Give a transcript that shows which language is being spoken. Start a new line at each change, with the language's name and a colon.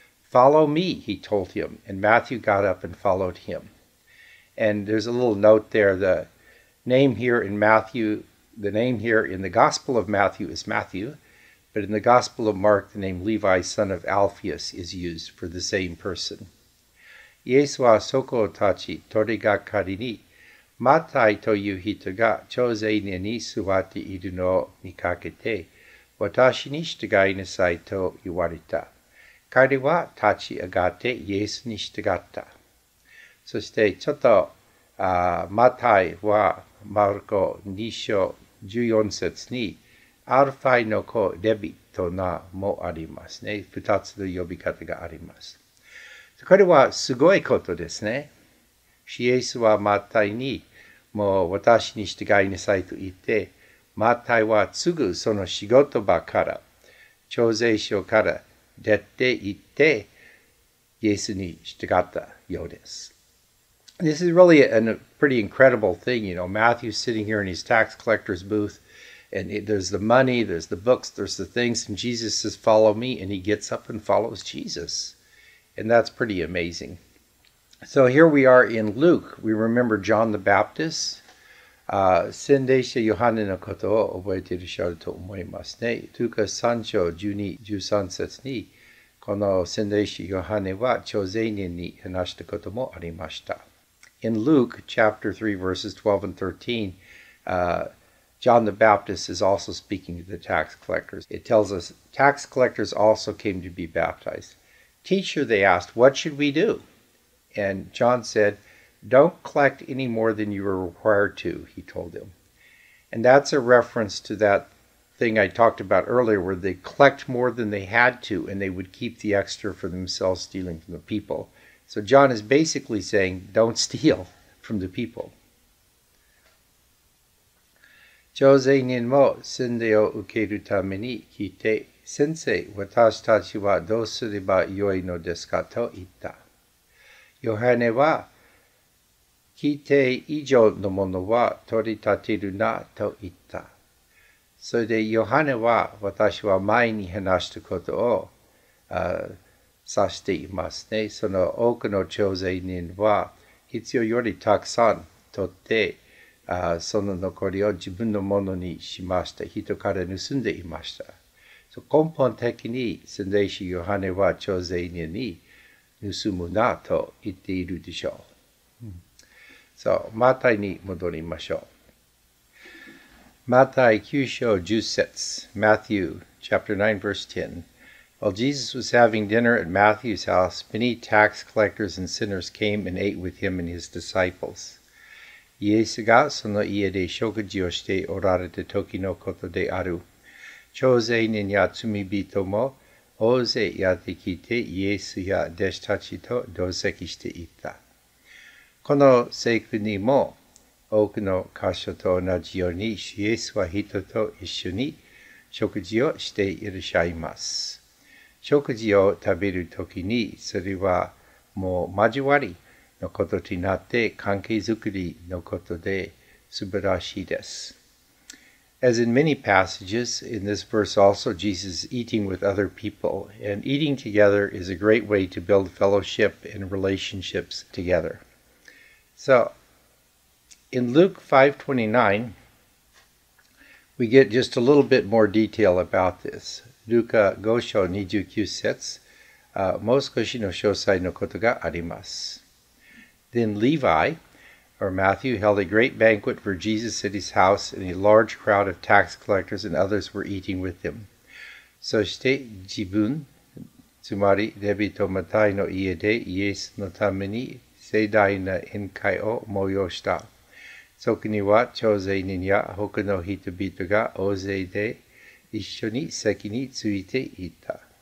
English: Follow me, he told him, and Matthew got up and followed him. And there's a little note there, the name here in the Gospel of Matthew is Matthew, but in the Gospel of Mark, the name Levi, son of Alphaeus, is used for the same person.
Japanese: イエスはそこを立ち、取りがかりに、マタイという人が徴税人に座っているのを見かけて、私に従いなさいと言われた。彼は立ち上がってイエスに従った。そしてちょっと、マタイはマルコ2章14節にアルファイの子レビと名もありますね。 2つの呼び方があります。これはすごいことですね。イエスはマタイにもう私に従いなさいと言って、マタイはすぐその仕事場から、徴税所から出て行って、イエスに従ったようです。
English: This is really a pretty incredible thing, you know, Matthew's sitting here in his tax collector's booth, and there's the money, there's the books, there's the things, and Jesus says, follow me, and he gets up and follows Jesus. And that's pretty amazing. So here we are in Luke. We remember John the Baptist.
Japanese: 洗礼者ヨハネのことを覚えていらっしゃると思いますね。というか3章12、13節に、この洗礼者ヨハネは徴税人に話したこともありました。
English: In Luke chapter 3 verses 12 and 13, John the Baptist is also speaking to the tax collectors. It tells us, tax collectors also came to be baptized. Teacher, they asked, what should we do? And John said, don't collect any more than you are required to, he told them. And that's a reference to that thing I talked about earlier where they collect more than they had to and they would keep the extra for themselves stealing from the people. So John is basically saying, don't steal from the people.
Japanese: 徴税人も洗礼を受けるために聞いて、先生、私たちはどうすればよいのですかと言った。ヨハネは、規定以上のものは取り立てるなと言った。それでヨハネは、私は前に話したことを、さしていますね。その多くの徴税人は必要よりたくさん取って、その残りを自分のものにしました。人から盗んでいました。根本的に洗礼師ヨハネは徴税人に盗むなと言っているでしょう。マタイに戻りましょう。マタイ9章10節。
English: Matthew chapter 9 verse 10。 While Jesus was having dinner at Matthew's house, many tax collectors and sinners came and ate with him and his disciples.
Japanese: イエスがその家で食事をしておられた時のことである。徴税人や罪人も大勢やってきてイエスや弟子たちと同席していた。この聖句にも多くの箇所と同じように、イエスは人と一緒に食事をしていらっしゃいます。食事を食べるときに、それはもう交わりのことになって、関係づくりのことで素晴らしいです。
English: As in many passages, in this verse also, Jesus is eating with other people, and eating together is a great way to build fellowship and relationships together. So, in Luke 5:29, we get just a little bit more detail about this.
Japanese: ルカ5章29節、もう少しの詳細のことがあります。
English: Then Levi, or Matthew, held a great banquet for Jesus at his house, and a large crowd of tax collectors and others were eating with him.
Japanese: そして自分、つまりレビとマタイの家でイエスのために盛大な宴会を催した。そこには徴税人や他の人々が大勢で一緒に席についていた。